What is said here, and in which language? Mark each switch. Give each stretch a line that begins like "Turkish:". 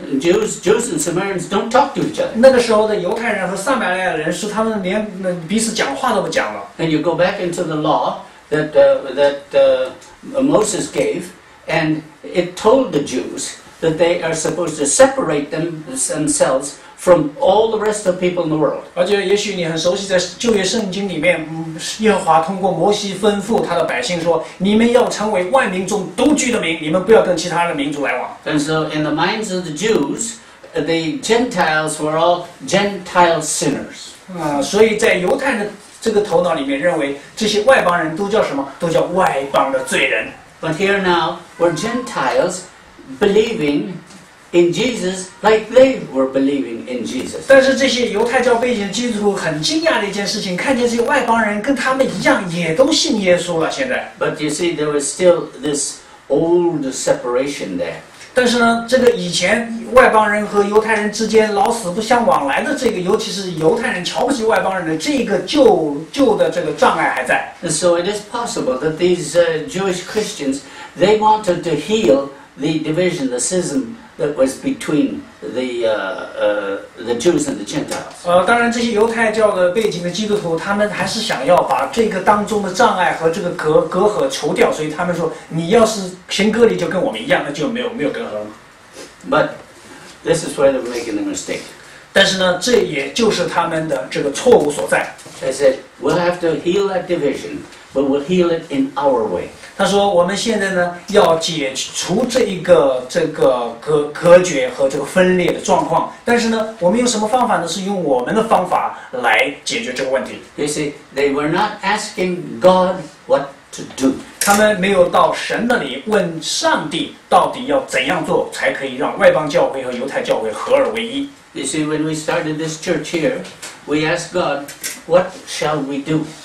English: Jews and Samaritans don't talk to each other.
Chinese: 那个时候的犹太人和撒玛利亚人是他们连彼此讲话都不讲了。
English: And you go back into the law that Moses gave, and it told the Jews that they are supposed to separate themselves from all the rest of people in the world.
Chinese: 而且也许你很熟悉，在旧约圣经里面，耶和华通过摩西吩咐他的百姓说，你们要成为万民中独居的民，你们不要跟其他的民族来往。
English: And so in the minds of the Jews, the Gentiles were all Gentile sinners.
Chinese: 所以在犹太的这个头脑里面认为，这些外邦人都叫什么？都叫外邦的罪人。
English: But here now were Gentiles believing in Jesus, like they were believing in Jesus.
Chinese: 但是这些犹太教背景基督徒很惊讶的一件事情，看见这些外邦人跟他们一样，也都信耶稣了。现在
English: ，But you see, there was still this old separation there.
Chinese: 但是呢，这个以前外邦人和犹太人之间老死不相往来的这个，尤其是犹太人瞧不起外邦人的这个旧的这个障碍还在。
English: So it is possible that these Jewish Christians, they wanted to heal the division, the schism that was between the Jews and the Gentiles.
Chinese: 当然这些犹太教的背景的基督徒，他们还是想要把这个当中的障碍和这个隔阂除掉，所以他们说，你要是行割礼就跟我们一样，那就没有隔阂了。
English: But this is where they're making a mistake.
Chinese: 但是呢，这也就是他们的这个错误所在。
English: They said, "We'll have to heal that division, but we'll heal it in our way."
Chinese: 他说我们现在呢要解除这个隔绝和这个分裂的状况，但是呢我们用什么方法呢？是用我们的方法来解决这个问题。
English: You see, they were not asking God what to do.
Chinese: 他们没有到神那里问上帝到底要怎样做才可以让外邦教会和犹太教会合而为一。
English: You see, when we started this church here, we asked God, "What shall we do?"